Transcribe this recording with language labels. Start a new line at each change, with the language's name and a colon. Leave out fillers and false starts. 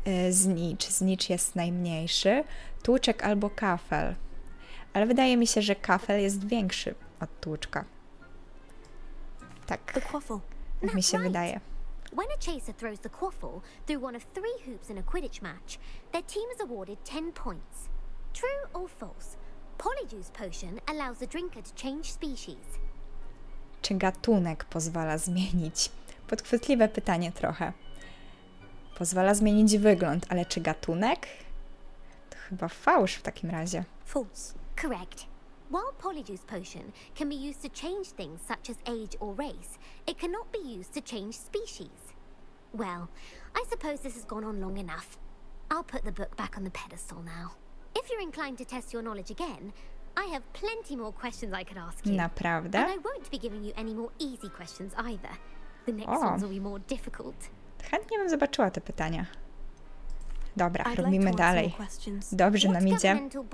Polish: Znicz jest najmniejszy. Tłuczek albo kafel. Ale wydaje mi się, że kafel jest większy od tłuczka. Tak.
English: The Quaffle.
Polish: Mi się wydaje.
English: When a chaser throws the quaffle through one of three hoops in a Quidditch match, their team is awarded 10 points. True or false? Polyjuice potion allows the drinker to change species.
Polish: Czy gatunek pozwala zmienić? Podchwytliwe pytanie trochę. Pozwala zmienić wygląd, ale czy gatunek? To chyba fałsz w takim razie.
English: False. Correct. While Polyjuice potion can be used to change things such as age or race, it cannot be used to change species. Well, I suppose this has gone on long enough. I'll put the book back on the pedestal now. If you're inclined to test your knowledge again, I have plenty more questions I could ask you.
Polish: Naprawdę?
English: And I won't be giving you any more easy questions either. The next ones will be more difficult.
Polish: Chętnie bym zobaczyła te pytania. Dobra, robimy dalej. Dobrze nam idzie.